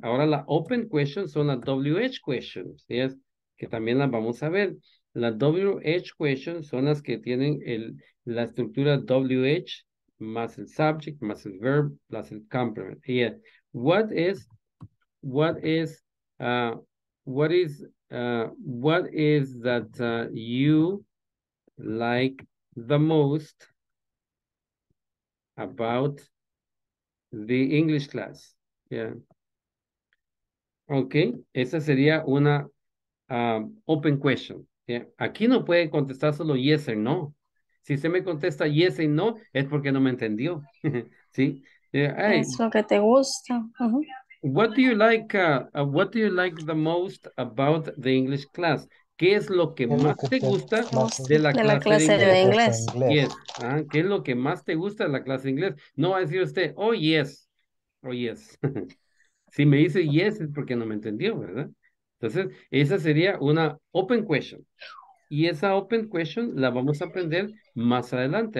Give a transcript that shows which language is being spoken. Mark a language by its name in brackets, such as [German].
[Spanish] Ahora, la open question son las WH questions, yes, que también las vamos a ver. Las WH questions son las que tienen la estructura WH más el subject, más el verb, más el complement. Yeah. [English] What is that you like the most about the English class? [Spanish] Yeah. Okay. Esa sería una open question. Yeah. Aquí no puede contestar solo [English] yes or no. [Spanish] Si se me contesta yes y no, es porque no me entendió. ¿Sí? Yeah. Hey, es lo que te gusta. [English] Uh-huh. What do you like? What do you like the most about the English class? [Spanish] ¿Qué es lo que más te gusta de la clase de inglés? [English] Yes. [Spanish] Ah, ¿qué es lo que más te gusta de la clase de inglés? No va a decir usted, [English] oh yes. Oh yes. [Spanish] Si me dice yes, es porque no me entendió, ¿verdad? Entonces, esa sería una open question. Y esa open question la vamos a aprender más adelante.